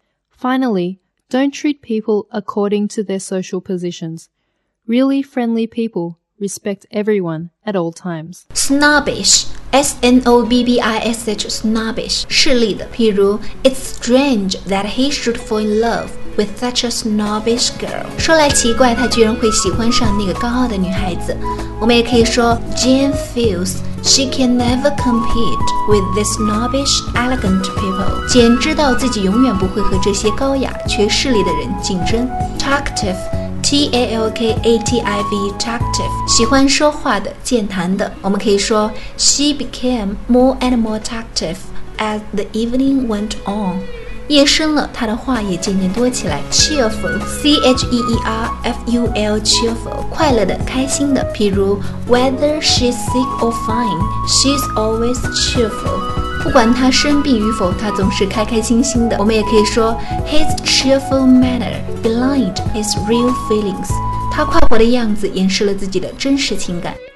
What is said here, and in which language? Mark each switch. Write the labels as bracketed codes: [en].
[en] Finally, don't treat people according to their social positions. Really friendly people respect everyone at all times. Snobbish, S-N-O-B-B-I-S-H, snobbish, [zh] 势利的， [en] 譬如 It's strange that he should fall in love with such a snobbish girl. [zh] 说来奇怪，他居然会喜欢上那个高傲的女孩子。我们也可以说 [en] Jane feelsShe can never compete with this snobbish, elegant people. [zh] 简知道自己永远不会和这些高雅却势利的人竞争。 [en] Talkative, T-A-L-K-A-T-I-V, talkative. [zh] 喜欢说话的，健谈的。我们可以说 [en] She became more and more talkative as the evening went on. [zh] 夜深了，她的话也渐渐多起来。 [en] Cheerful, C-H-E-E-R-F-U-L, cheerful. [zh] 快乐的，开心的。譬如 [en] Whether she's sick or fine, she's always cheerful. [zh] 不管她生病与否，她总是开开心心的。我们也可以说 [en] His cheerful manner belied his real feelings. [zh] 她快活的样子掩饰了自己的真实情感。